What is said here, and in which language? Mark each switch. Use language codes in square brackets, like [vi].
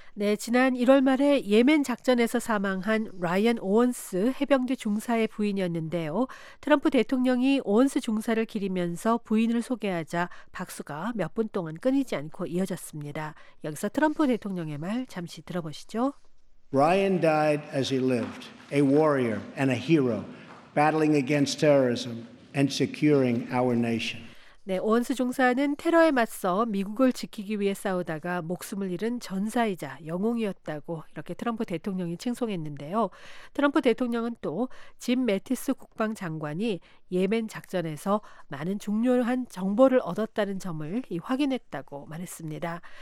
[ko] 네, 지난 1월 말에 예멘 작전에서 사망한 라이언 오언스 해병대 중사의 부인이었는데요. 트럼프 대통령이 오언스 중사를 기리면서 부인을 소개하자 박수가 몇 분 동안 끊이지 않고 이어졌습니다. 여기서 트럼프 대통령의 말 잠시 들어보시죠. [en] Ryan died as he lived, a warrior and a hero, battling against terrorism and securing our nation. [ko] 네, 오언스 중사는 테러에 맞서 미국을 지키기 위해 싸우다가 목숨을 잃은 전사이자 영웅이었다고 이렇게 트럼프 대통령이 칭송했는데요. 트럼프 대통령은 또 짐 매티스 국방장관이 예멘 작전에서 많은 중요한 정보를 얻었다는 점을 확인했다고 말했습니다.